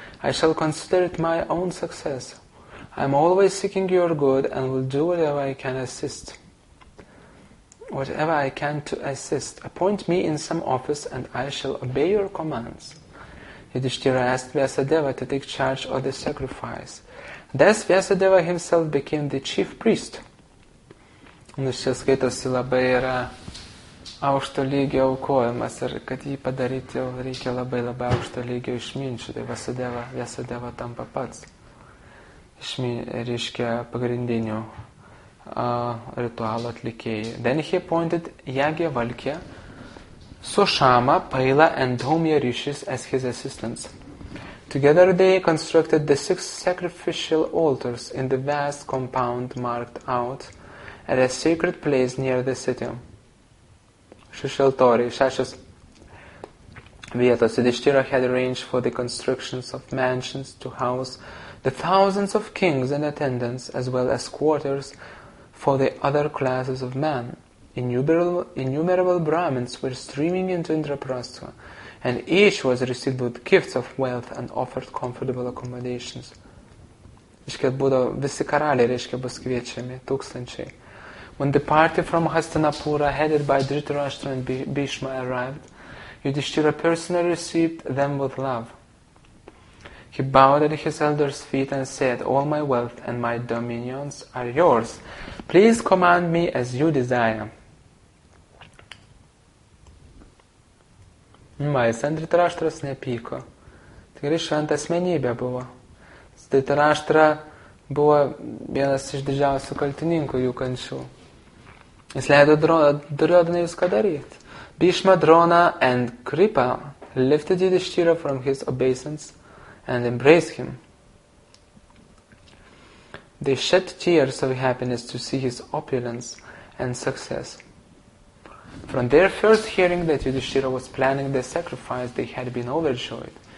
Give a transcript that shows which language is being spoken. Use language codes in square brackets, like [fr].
[en] I shall consider it my own success. I am always seeking your good and will do whatever I can assist. whatever I can to assist. Appoint me in some office and I shall obey your commands. Yudhishthira asked Vyasadeva to take charge of the sacrifice. Thus Vyasadeva himself became the chief priest. [lt] Jis čia skaitos labai yra aukšto lygio aukojimas ir kad jį padaryti reikia labai labai aukšto lygio išminčių. Tai Vyasadeva tampa pats reiškia pagrindinių ritualo atlikėjai. [en] Then he appointed Yagyavalkya, Sushama, Paila and Dhaumya Rishis as his assistants. Together they constructed the 6 sacrificial altars in the vast compound marked out at a sacred place near the city. [lt] Šeši altoriai, 6 vietos. [en] Yudhishthira had arranged for the constructions of mansions to house the thousands of kings and attendants as well as quarters for the other classes of men. Innumerable Brahmins were streaming into Indraprastha, and each was received with gifts of wealth and offered comfortable accommodations. [lt] Reiškia, būdo visi karaliai, reiškia, bus kviečiami, tūkstančiai. [en] When the party from Hastinapura, headed by Dhritarashtra and Bhishma, arrived, Yudhishthira personally received them with love. He bowed at his elders' feet and said, "All my wealth and my dominions are yours. Please command me as you desire." [lt] Dhritarashtras nepyko. Tikrai šventa asmenybė buvo. Dhritarashtra buvo vienas iš didžiausių kaltininkų jų kančių. Jis leido Duryodhanai viską daryti. [en] Bhishma, Drona and Kripa lifted Yudhishthira from his obeisance and embraced him. They shed tears of happiness to see his opulence and success. From their first hearing that Yudhishthira was planning the sacrifice, they had been overjoyed.